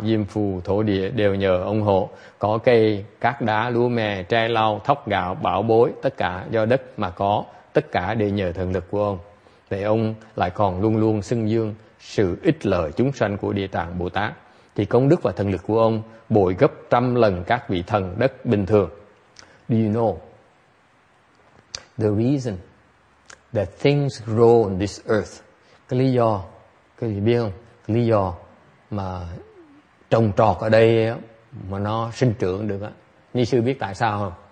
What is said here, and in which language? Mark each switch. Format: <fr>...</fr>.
<vi>Diêm phù, thổ địa đều nhờ ông hộ. Có cây, cát đá, lúa mè, tre lau, thóc gạo, bảo bối, tất cả do đất mà có, tất cả đều nhờ thần lực của ông. Vậy ông lại còn luôn luôn xưng dương sự ích lợi chúng sanh của Địa Tạng Bồ Tát, thì công đức và thần lực của ông bội gấp trăm lần các vị thần đất bình thường.</vi> <en>Do you know the reason that things grow on this earth?</en> <vi>Cái lý do, cái gì biết không? Cái lý do mà trồng trọt ở đây mà nó sinh trưởng được á. Ni sư biết tại sao không?</vi>